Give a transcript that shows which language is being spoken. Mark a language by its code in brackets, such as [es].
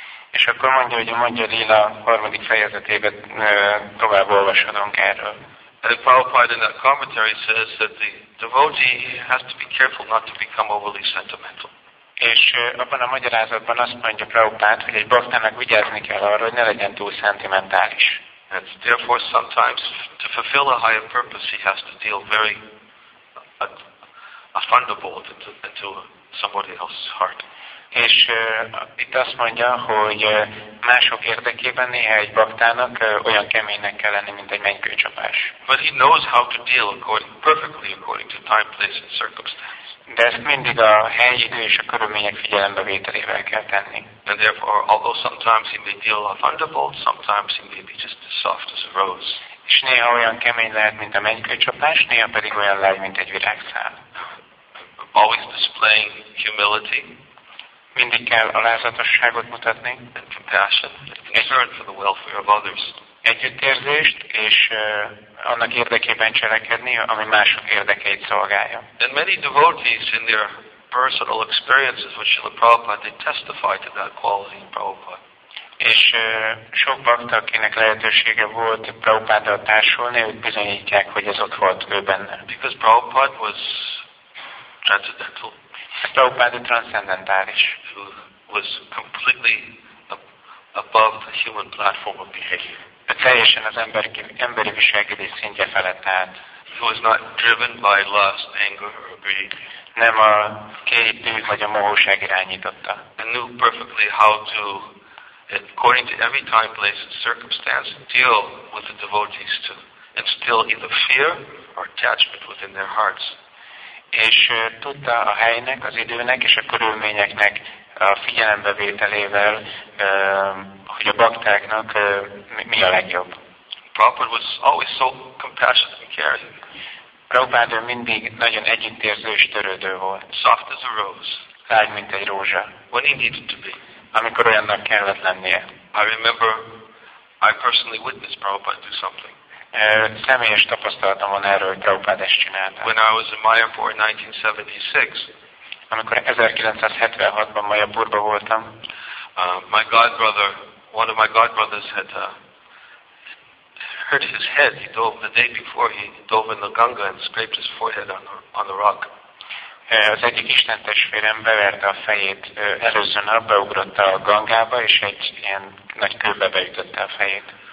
[hu] És akkor mondja, hogy a Majjalila harmadik fejezetében tovább olvashatunk erről. [en] And Prabhupada in that commentary says that the devotee has to be careful not to become overly sentimental. [hu] És abban a magyarázatban azt mondja Prabhupada, hogy egy bhaktának vigyázni kell arra, hogy ne legyen túl szentimentális. [en] And therefore sometimes to fulfill a higher purpose he has to deal very a thunderbolt into somebody else's heart. [hu] És itt azt mondja, hogy mások érdekében néha egy baktának olyan keménynek kell lenni, mint egy mennykőcsapás. [en] But he knows how to deal perfectly according to time, place and circumstance. [hu] De ezt mindig a hely, idő és a körülmények figyelembe vételével kell tenni. [en] And therefore, although sometimes he may deal a thunderbolt, sometimes he may be just as soft as a rose. [hu] És néha olyan kemény lehet, mint a mennykőcsapás, néha pedig olyan lágy, mint egy virágszál. [en] Always displaying humility. [hu] Mindig kell alázatosságot mutatni. [en] And compassion. Concern for the welfare of others. [hu] Együttérzést, és annak érdekében cselekedni, ami mások érdekeit szolgálja. [en] And many devotees in their personal experiences with Srila Prabhupada, they testify to that quality in Prabhupada. [hu] És sok bhakta, akinek lehetősége volt Prabhupáddal társulni, ők bizonyítják, hogy ez ott volt ő benne. [en] Because Prabhupada was transcendental. [hu] Prabhupada transzendentális. [en] Who was completely above the human platform of behavior. [hu] Teljesen az emberi viselkedés szintje felett állt. [en] He was not driven by lust, anger or greed. [hu] Nem a kép, vagy a mohóság irányította. [en] And knew perfectly how to, according to every time, place and circumstance, deal with the devotees to instill either fear or attachment within their hearts. [hu] És tudta a helynek, az időnek és a körülményeknek a figyelembevételével, hogy a baktáknak mi a legjobb. [en] Prabhupada was always so compassionate and caring. [hu] Prabhupada mindig nagyon együttérző és törődő volt. [en] Soft as a rose. [hu] Lágy, mint egy rózsa. [en] When he needed to be. [hu] Amikor olyannak kellett lennie. [en] I remember I personally witnessed Prabhupada do something. [hu] Személyes tapasztalatom van erről, hogy Prabhupada ezt csinálta. [en] When I was in Mayapur in 1976, [hu] amikor 1976-ban Mayapurban voltam, [en] my godbrother, one of my godbrothers had hurt his head. He dove the day before. He dove in the Ganga and scraped his forehead on the rock. [hu] Az egyik isten testvérem beverte a fejét előző nap, beugrott a Gangába, és egy ilyen nagy kőbe beütötte a fejét.